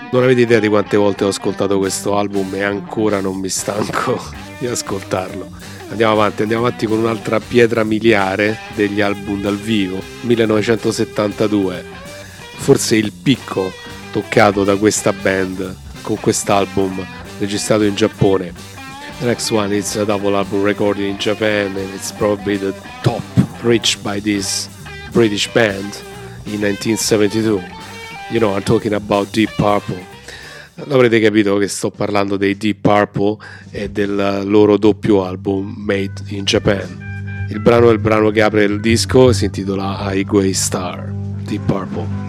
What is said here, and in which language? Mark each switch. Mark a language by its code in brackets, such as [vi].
[it] Non avete idea di quante volte ho ascoltato questo album e ancora non mi stanco di ascoltarlo. Andiamo avanti con un'altra pietra miliare degli album dal vivo, 1972. Forse il picco toccato da questa band con quest'album registrato in Giappone. [en] The next one is a double album recorded in Japan, and it's probably the top reached by this British band in 1972. You know, I'm talking about Deep Purple. [it] L'avrete capito che sto parlando dei Deep Purple e del loro doppio album Made in Japan. Il brano è il brano che apre il disco, si intitola Highway Star, Deep Purple.